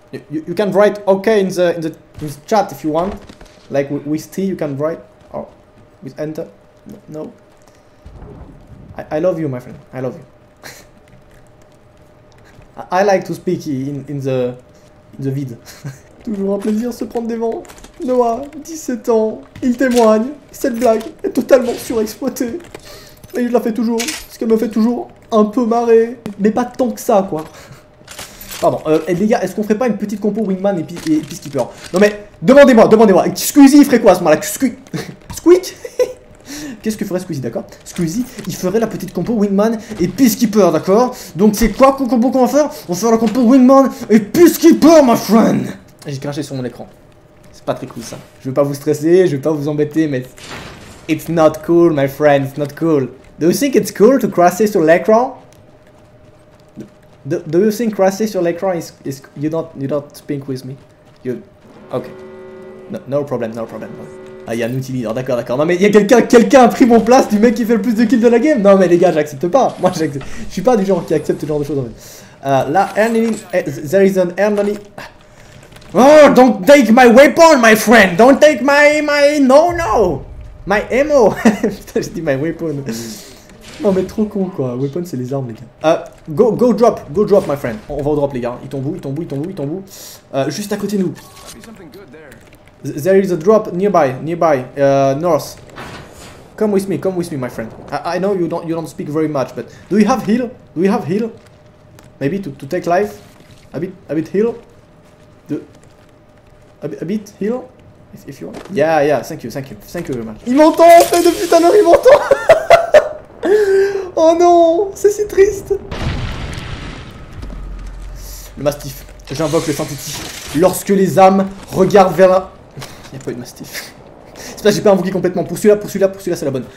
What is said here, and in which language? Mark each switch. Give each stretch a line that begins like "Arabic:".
English: You can write ok in the chat if you want. Like with T, you can write. Or with enter. No. I love you, my friend. I love you. I like to speak in the vid.
French: Toujours un plaisir se prendre des vents. Noah, 17 ans, il témoigne. Cette blague est totalement surexploitée. Et je la fais toujours, parce qu'elle me fait toujours un peu marrer. Mais pas tant que ça, quoi. Pardon, les gars, est-ce qu'on ferait pas une petite compo Wingman et Peacekeeper? Non mais, demandez-moi. Squeezie, il ferait quoi à ce moment-là? Squeak. Qu'est-ce que ferait Squeezie, d'accord? Squeezie, il ferait la petite compo Wingman et Peacekeeper, d'accord? Donc c'est quoi la compo qu'on va faire? On va faire la compo Wingman et Peacekeeper, my friend! J'ai craché sur mon écran. C'est pas très cool, ça. Je veux pas vous stresser, je veux pas vous embêter, mais...
English: It's not cool, my friend, it's not cool. Do you think it's cool to crasher
French: sur l'écran?
English: Do you think crasher sur l'écran is... You don't speak with me? You... Ok. No problem.
French: Ah, y'a un outil leader, d'accord. Non, mais y'a quelqu'un a pris mon place du mec qui fait le plus de kills de la game. Non, mais les gars, j'accepte pas. Moi, j'accepte. Je suis pas du genre qui accepte ce genre de choses en fait.
English: Là, there is an Ernie. Oh, don't take my weapon, my friend. Don't take my. No. My ammo.
French: Putain, j'ai dit
English: my weapon.
French: Non, mais trop con quoi. Weapon, c'est les armes, les gars.
English: Go drop, my friend.
French: On va au drop, les gars. Il tombe où? Juste à côté de nous.
English: There is a drop nearby, north. Come with me, my friend. I know you don't speak very much, but do you have heal? Maybe to take life. A bit heal. A bit heal. If you want. Yeah, yeah, thank you very much.
French: Il m'entend en fait, depuis tout à l'heure, il m'entend. Oh non, c'est si triste. Le mastiff. J'invoque le synthétique. Lorsque les âmes regardent vers la... Y'a pas eu de mastiff. C'est pas, j'ai pas invoqué complètement. Pour celui-là, c'est la bonne.